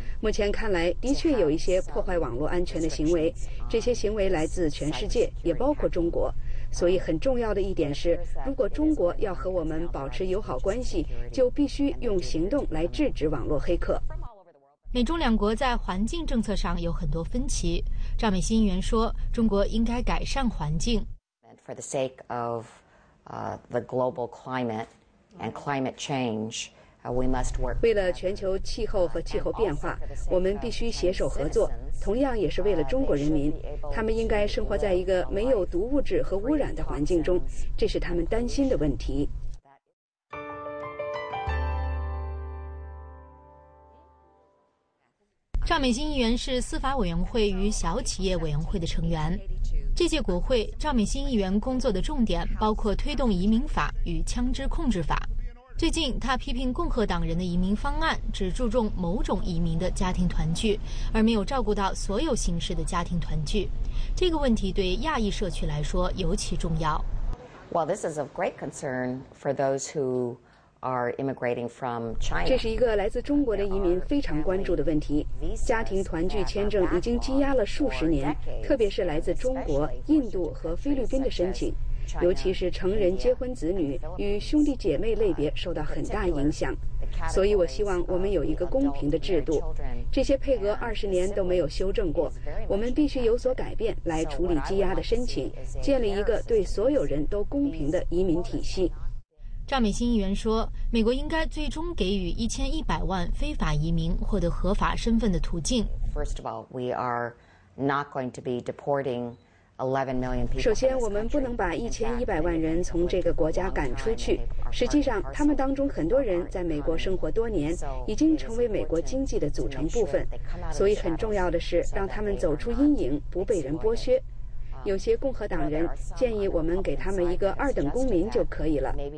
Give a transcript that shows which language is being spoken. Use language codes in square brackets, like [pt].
[zh] 目前看来，的确有一些破坏网络安全的行为，这些行为来自全世界，也包括中国。所以很重要的一点是，如果中国要和我们保持友好关系，就必须用行动来制止网络黑客。美中两国在环境政策上有很多分歧。赵美欣议员说，中国应该改善环境。 [en] For the sake of the global climate and climate change, we must work. [zh] 为了全球气候和气候变化，我们必须携手合作。同样也是为了中国人民，他们应该生活在一个没有毒物质和污染的环境中，这是他们担心的问题。赵美欣议员是司法委员会与小企业委员会的成员。这届国会，赵美欣议员工作的重点包括推动移民法与枪支控制法。最近，他批评共和党人的移民方案只注重某种移民的家庭团聚，而没有照顾到所有形式的家庭团聚。这个问题对亚裔社区来说尤其重要。 [en] Well, this is of great concern for those who are immigrating from China. [zh] 这是一个来自中国的移民非常关注的问题。家庭团聚签证已经积压了数十年，特别是来自中国、印度和菲律宾的申请，尤其是成人结婚子女与兄弟姐妹类别受到很大影响。所以我希望我们有一个公平的制度。这些配额20年都没有修正过，我们必须有所改变来处理积压的申请，建立一个对所有人都公平的移民体系。赵美心议员说，美国应该最终给予1100万非法移民获得合法身份的途径。 [en] First of all, we are not going to be deporting 11 million people. [zh] 首先，我们不能把1100万人从这个国家赶出去。实际上，他们当中很多人在美国生活多年，已经成为美国经济的组成部分。所以，很重要的是让他们走出阴影，不被人剥削。有些共和党人建议我们给他们一个二等公民就可以了。